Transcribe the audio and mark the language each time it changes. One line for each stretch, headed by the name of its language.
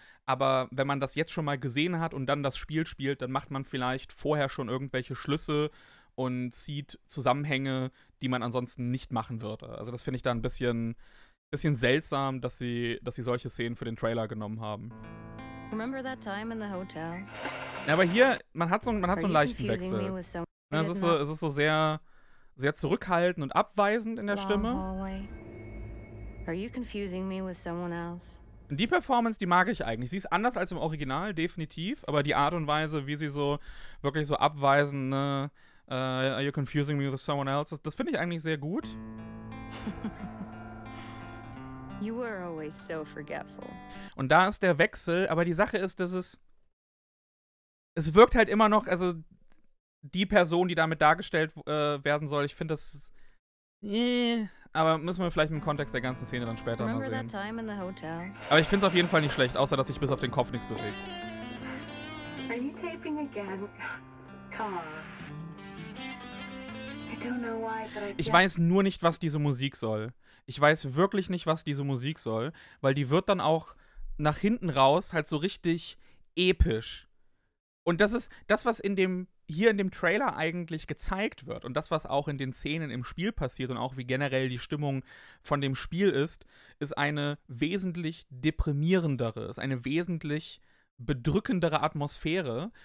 German: Aber wenn man das jetzt schon mal gesehen hat und dann das Spiel spielt, dann macht man vielleicht vorher schon irgendwelche Schlüsse und zieht Zusammenhänge, die man ansonsten nicht machen würde. Also das finde ich da ein bisschen seltsam, dass sie solche Szenen für den Trailer genommen haben.
English: Remember that time in the hotel?
German: Ja, aber hier, man hat so einen leichten Wechsel. Ja, es ist so sehr, sehr zurückhaltend und abweisend in der Stimme.
English: Are you confusing me with someone else?
German: Die Performance, die mag ich eigentlich. Sie ist anders als im Original, definitiv. Aber die Art und Weise, wie sie so wirklich so abweisen, ne,
English: are you confusing me with someone else?
German: Das finde ich eigentlich sehr gut.
English: You were always so forgetful.
German: Und da ist der Wechsel. Aber die Sache ist, dass es wirkt halt immer noch, also die Person, die damit dargestellt werden soll, ich finde das... Aber müssen wir vielleicht im Kontext der ganzen Szene dann später mal sehen. Aber ich finde es auf jeden Fall nicht schlecht, außer dass sich bis auf den Kopf nichts bewegt.
English: Are you taping again? Come on. I don't know why, but I guess...
German: Ich weiß nur nicht, was diese Musik soll. Ich weiß wirklich nicht, was diese Musik soll, weil die wird dann auch nach hinten raus halt so richtig episch. Und das ist das, was hier in dem Trailer eigentlich gezeigt wird und das, was auch in den Szenen im Spiel passiert und auch wie generell die Stimmung von dem Spiel ist, ist eine wesentlich deprimierendere, ist eine wesentlich bedrückendere Atmosphäre.